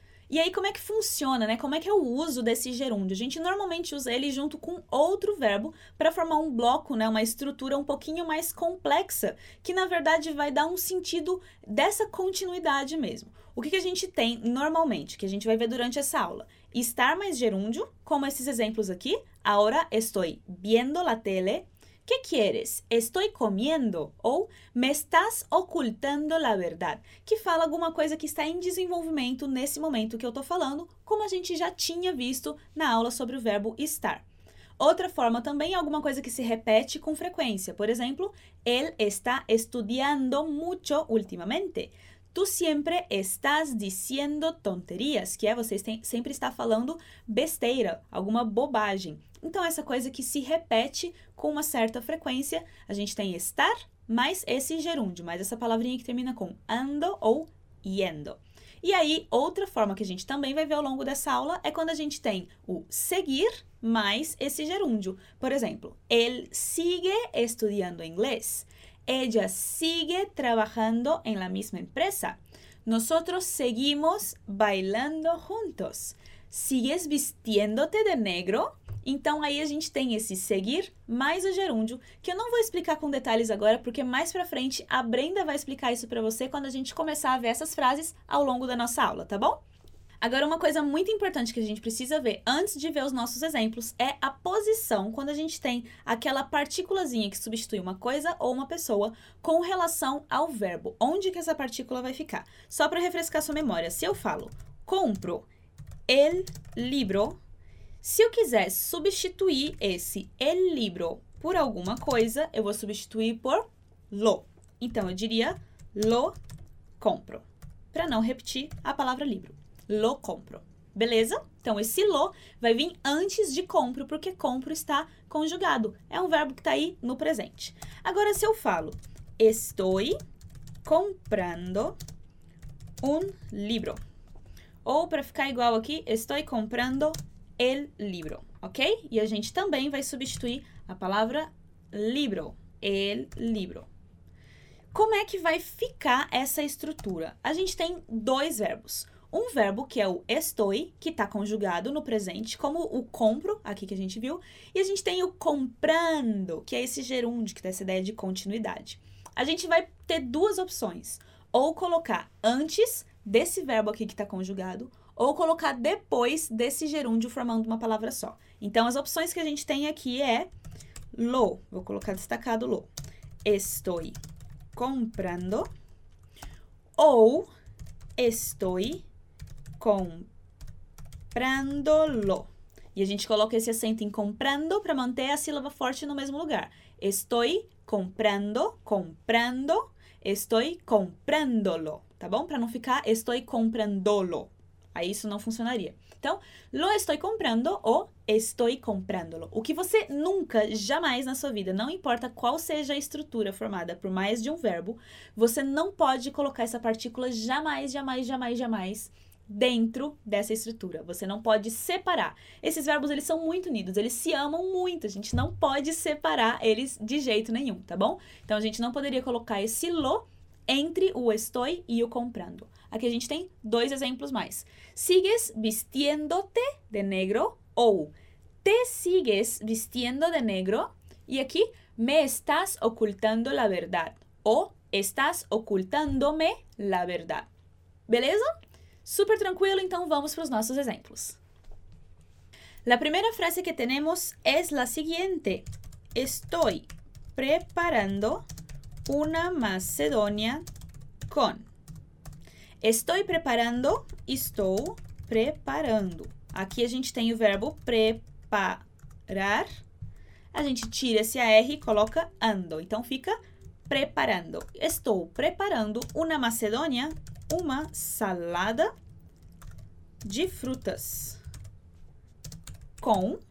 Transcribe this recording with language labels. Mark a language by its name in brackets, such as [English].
[Portuguese] E aí, como é que funciona, né? Como é que é o uso desse gerúndio? A gente normalmente usa ele junto com outro verbo para formar um bloco, né? Uma estrutura um pouquinho mais complexa, que na verdade vai dar um sentido dessa continuidade mesmo. O que a gente tem normalmente, que a gente vai ver durante essa aula? Estar mais gerúndio, como esses exemplos aqui. [Spanish] Ahora estoy viendo la tele. ¿Qué quieres? Estoy comiendo. Ou me estás ocultando la verdad. [Portuguese] Que fala alguma coisa que está em desenvolvimento nesse momento que eu estou falando, como a gente já tinha visto na aula sobre o verbo estar. Outra forma também é alguma coisa que se repete com frequência. Por exemplo, [Spanish] él está estudiando mucho últimamente. Tú siempre estás diciendo tonterías, [Portuguese] que é você sempre está falando besteira, alguma bobagem. Então, essa coisa que se repete com uma certa frequência, a gente tem estar mais esse gerúndio, mais essa palavrinha que termina com ando ou yendo. E aí, outra forma que a gente também vai ver ao longo dessa aula é quando a gente tem o seguir mais esse gerúndio. Por exemplo, [Spanish] él sigue estudiando inglés. Ella sigue trabajando en la misma empresa. Nosotros seguimos bailando juntos. ¿Sigues vistiéndote de negro? [Portuguese] Então, aí a gente tem esse seguir mais o gerúndio, que eu não vou explicar com detalhes agora, porque mais pra frente a Brenda vai explicar isso pra você quando a gente começar a ver essas frases ao longo da nossa aula, tá bom? Agora, uma coisa muito importante que a gente precisa ver antes de ver os nossos exemplos é a posição quando a gente tem aquela partículazinha que substitui uma coisa ou uma pessoa com relação ao verbo. Onde que essa partícula vai ficar? Só para refrescar sua memória, se eu falo [Spanish] compro el libro, [Portuguese] se eu quiser substituir esse el libro por alguma coisa, eu vou substituir por lo. Então, eu diria [Spanish] lo compro, [Portuguese] para não repetir a palavra libro. [Spanish] Lo compro. [Portuguese] Beleza? Então, esse lo vai vir antes de compro, porque compro está conjugado. É um verbo que está aí no presente. Agora, se eu falo [Spanish] estoy comprando un libro. [Portuguese] Ou, para ficar igual aqui, [Spanish] estoy comprando el libro. [Portuguese] Ok? E a gente também vai substituir a palavra libro. [Spanish] El libro. [Portuguese] Como é que vai ficar essa estrutura? A gente tem dois verbos. Um verbo que é o estoy, que está conjugado no presente, como o compro, aqui que a gente viu. E a gente tem o comprando, que é esse gerúndio, que dá essa ideia de continuidade. A gente vai ter duas opções. Ou colocar antes desse verbo aqui que está conjugado, ou colocar depois desse gerúndio formando uma palavra só. Então, as opções que a gente tem aqui é lo, vou colocar destacado lo. [Spanish] Estoy comprando. Ou estoy comprándolo. [Portuguese] E a gente coloca esse acento em comprando para manter a sílaba forte no mesmo lugar. [Spanish] Estoy comprando, comprando, estoy comprándolo. [Portuguese] Tá bom? Para não ficar [Spanish] estoy comprándolo. [Portuguese] Aí isso não funcionaria. [Spanish] Então, lo estoy comprando ou estoy comprándolo. [Portuguese] O que você nunca, jamais na sua vida, não importa qual seja a estrutura formada por mais de um verbo, você não pode colocar essa partícula jamais, jamais, jamais, jamais dentro dessa estrutura. Você não pode separar. Esses verbos, eles são muito unidos, eles se amam muito. A gente não pode separar eles de jeito nenhum, tá bom? Então, a gente não poderia colocar esse lo entre o estoy e o comprando. Aqui a gente tem dois exemplos mais. [Spanish] Sigues vistiéndote de negro ou te sigues vistiendo de negro. E aqui, me estás ocultando la verdad. Ou estás ocultándome la verdad. [Portuguese] Beleza? Super tranquilo, então vamos para os nossos exemplos. La primeira frase que temos é a seguinte. [Spanish] Estoy preparando una macedonia con. Estoy preparando, [Portuguese] estou preparando. Aqui a gente tem o verbo preparar. A gente tira esse AR e coloca ando. Então fica preparando. Estou preparando [Spanish] una macedonia, [Portuguese] uma salada de frutas. Com.